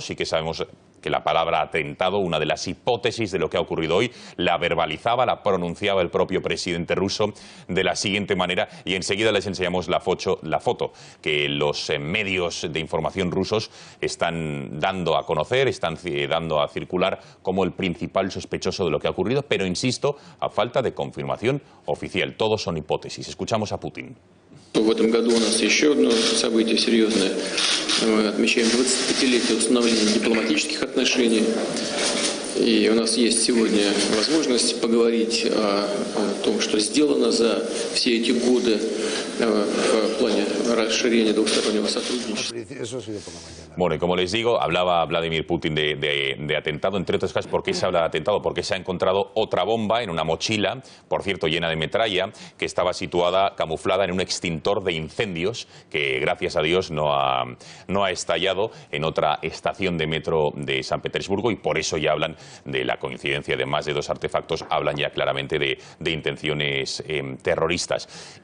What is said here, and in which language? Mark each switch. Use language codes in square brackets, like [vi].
[es] Sí que sabemos que la palabra atentado, una de las hipótesis de lo que ha ocurrido hoy, la verbalizaba, la pronunciaba el propio presidente ruso de la siguiente manera, y enseguida les enseñamos la foto que los medios de información rusos están dando a conocer, están dando a circular como el principal sospechoso de lo que ha ocurrido, pero insisto, a falta de confirmación oficial, todo son hipótesis. Escuchamos a Putin. [ru] В этом году у нас еще одно событие серьезное. Мы отмечаем 25-летие установления дипломатических отношений. И у нас есть сегодня возможность поговорить о том, что сделано за все эти годы в плане расширения двустороннего сотрудничества. [es] Bueno, y como les digo, hablaba Vladimir Putin de atentado, entre otras cosas. ¿Por qué se habla de atentado? Porque se ha encontrado otra bomba en una mochila, por cierto, llena de metralla, que estaba situada, camuflada en un extintor de incendios, que gracias a Dios no ha estallado en otra estación de metro de San Petersburgo, y por eso ya hablan de la coincidencia de más de dos artefactos, hablan ya claramente de intenciones terroristas.